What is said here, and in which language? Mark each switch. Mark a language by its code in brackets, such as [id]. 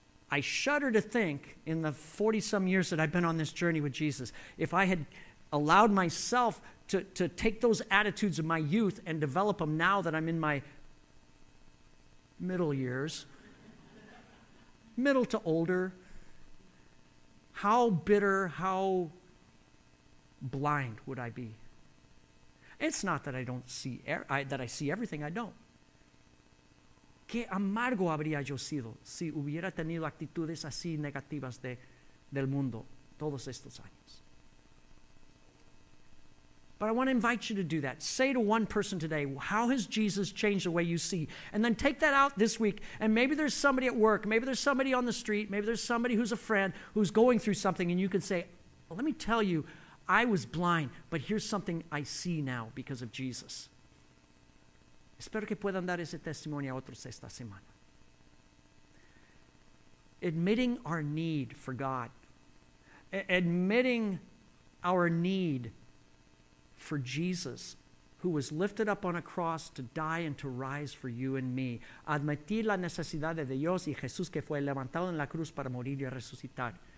[en] I shudder to think in the 40-some years that I've been on this journey with Jesus, if I had allowed myself to take those attitudes of my youth and develop them now that I'm in my middle years, middle to older, how bitter, how blind would I be? It's not that I don't see that I see everything. I don't. [es] Qué amargo habría yo sido si hubiera tenido actitudes así negativas del mundo todos estos años. [en] But I want to invite you to do that. Say to one person today, how has Jesus changed the way you see? And then take that out this week, and maybe there's somebody at work, maybe there's somebody on the street, maybe there's somebody who's a friend who's going through something, and you can say, well, let me tell you, I was blind, but here's something I see now because of Jesus. [es] Espero que puedan dar ese testimonio a otros esta semana. [en] Admitting our need for God. Admitting our need for Jesus, who was lifted up on a cross to die and to rise for you and me. [es] Admitir la necesidad de Dios y Jesús que fue levantado en la cruz para morir y resucitar.